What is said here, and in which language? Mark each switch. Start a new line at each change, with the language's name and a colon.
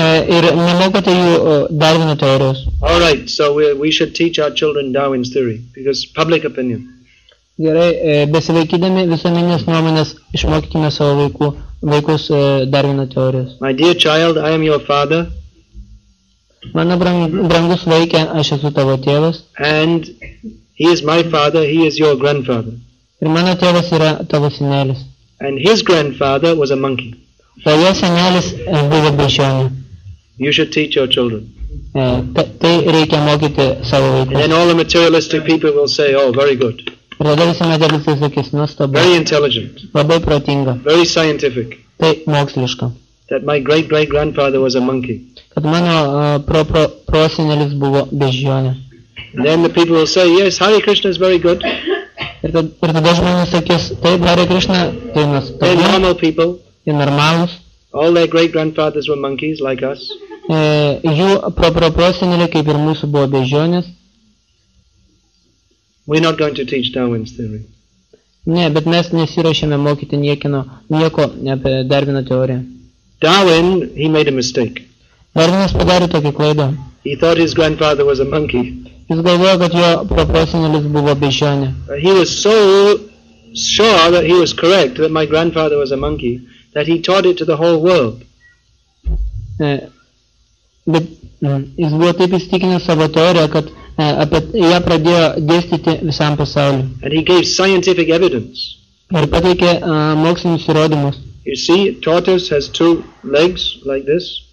Lithuanian: Ir nemokote jų Darvino teorijos.
English: All right, so we should teach our children Darwin's theory because public opinion.
Lithuanian: Gerai, besivaikydami visuomenės nuomonės, išmokykime savo vaikus Darvino teorijos.
English: My dear child, I am your father.
Lithuanian: Mano brangus vaikė, aš esu tavo tėvas.
English: And he is my father, he is your grandfather.
Lithuanian: Ir mano tėvas yra tavo senelis.
English: And his grandfather was a monkey.
Lithuanian: O jo senelis buvo beždžionė.
English: You should teach your children.
Lithuanian: Tai reikia mokyti savo vaikus.
English: And then all the materialistic people will say, oh, very good.
Lithuanian: Ir tada visi materialistai sakys, nuostabu.
English: Very intelligent.
Lithuanian: Labai protinga.
English: Very scientific.
Lithuanian: Tai moksliška.
English: That my great-great-grandfather was a monkey.
Lithuanian: Kad mano prosenelis buvo beždžionė.
English: Then the people will say, yes, Hare Krishna is very good.
Lithuanian: Ir tada žmonės sakės, taip, Hare Krishna, tai mes tokie, ir normalūs.
English: All their great-grandfathers were monkeys, like us.
Lithuanian: Jų proproseneliai, kaip ir mūsų, buvo beždžionės.
English: We're not going to teach Darwin's theory.
Lithuanian: Ne, bet mes nesiruošėme mokyti nieko apie Darvino teoriją.
English: Darwin, he made a mistake.
Lithuanian: Darvinas padarė tokį klaidą.
English: He thought his grandfather was a monkey.
Lithuanian: Jis galvojo, kad jo proprosenelis buvo beždžionė.
English: He was so sure that he was correct, that my grandfather was a monkey, that he taught it to the whole world.
Lithuanian: Bet jis buvo taip įstikinęs savo teoriją, kad apie ją pradėjo dėstyti visam pasauliu.
English: And he gave scientific evidence.
Lithuanian: Ir pateikė mokslinius įrodymus.
English: You see, tortoise has two legs, like this.